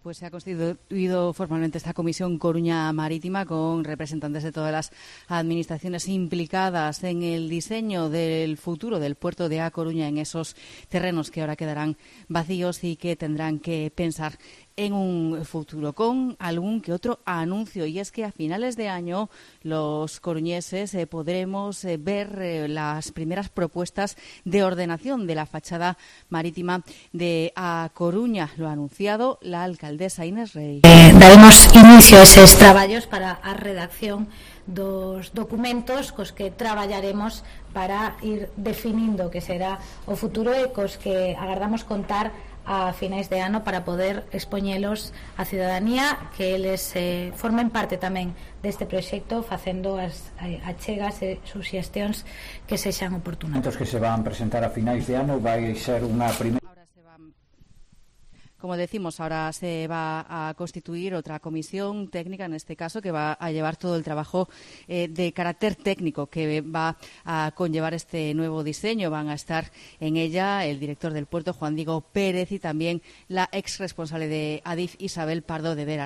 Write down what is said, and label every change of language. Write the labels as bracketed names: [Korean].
[Spanish] Pues se ha constituido formalmente esta Comisión Coruña Marítima con representantes de todas las administraciones implicadas en el diseño del futuro del puerto de A Coruña en esos terrenos que ahora quedarán vacíos y que tendrán que pensar en un futuro, con algún que otro anuncio, y es que a finales de año los coruñeses podremos ver las primeras propuestas de ordenación de la fachada marítima de A Coruña. Lo ha anunciado la alcaldesa Inés Rey. [Galician] Daremos inicio a esos trabajos para a redacción dos documentos cos que traballaremos para ir definindo que será o futuro e cos que agardamos contar a finais de ano para poder expoñelos á cidadanía, que eles formen parte tamén deste proxecto facendo as achegas e suxestións que sexan oportunas. Entos que se van presentar a finais de ano vai ser unha primeira. [Spanish] Como decimos, ahora se va a constituir otra comisión técnica, en este caso, que va a llevar todo el trabajo de carácter técnico que va a conllevar este nuevo diseño. Van a estar en ella el director del puerto, Juan Diego Pérez, y también la ex responsable de Adif, Isabel Pardo de Vera.